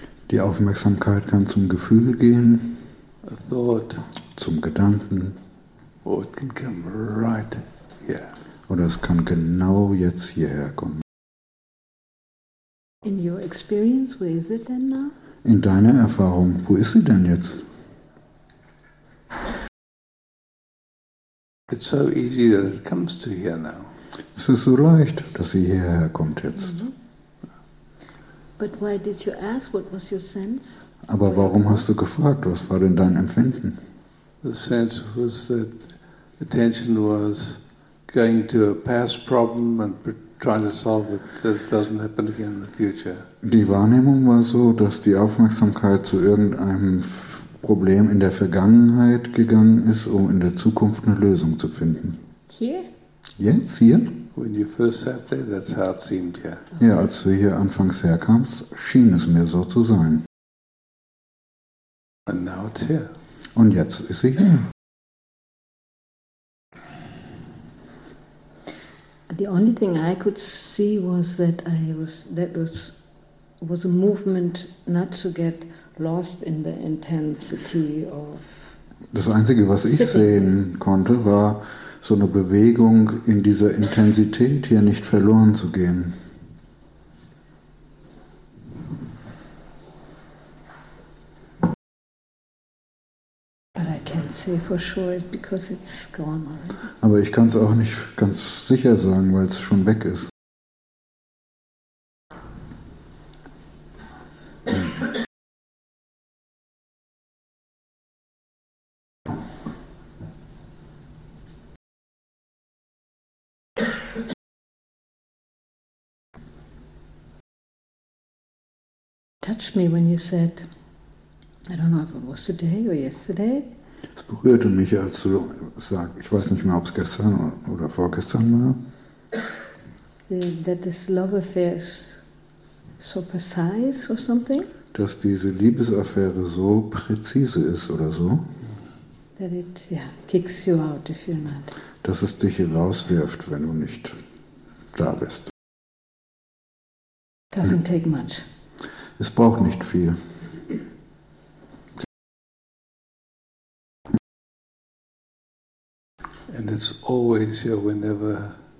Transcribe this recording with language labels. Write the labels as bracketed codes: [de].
[de] Die Aufmerksamkeit kann zum Gefühl gehen. [en] A thought. [de] Zum Gedanken. [en] Or it can come right here. [de] Oder es kann genau jetzt hierher kommen. [en] In your experience, where is it then now? [de] In deiner Erfahrung, wo ist sie denn jetzt? [en] It's so easy that it comes to here now. [de] Es ist so leicht, dass sie hierher kommt jetzt. [en] Mm-hmm. But why did you ask? What was your sense? [de] Aber warum hast du gefragt? Was war denn dein Empfinden? [en] The sense was that attention was going to a past problem and trying to solve it that it doesn't happen again in the future. [de] Die Wahrnehmung war so, dass die Aufmerksamkeit zu irgendeinem Problem in der Vergangenheit gegangen ist, um in der Zukunft eine Lösung zu finden. Hier? Jetzt, hier? [en] When you first sat there, that's how it seemed here. [de] Ja, als du hier anfangs herkamst, schien es mir so zu sein. [en] And now it's here. [de] Und jetzt ist sie hier. [en] The only thing I could see was that was a movement not to get lost in the intensity of. [de] Das einzige, was ich sehen konnte, war so eine Bewegung in dieser Intensität, hier nicht verloren zu gehen. [en] Say for sure because it's gone already. [de] Aber ich kann es auch nicht ganz sicher sagen, weil es schon weg ist. [en] Touched me when you said, I don't know if it was today or yesterday. [de] Es berührte mich, als du sagst, ich weiß nicht mehr, ob es gestern oder vorgestern war. [en] That this love affair is so precise or something? [de] Dass diese Liebesaffäre so präzise ist oder so. [en] That it, yeah, kicks you out if you're not. [de] Dass es dich rauswirft, wenn du nicht da bist. [en] Doesn't take much. [de] Es braucht nicht viel. [en] And it's always here whenever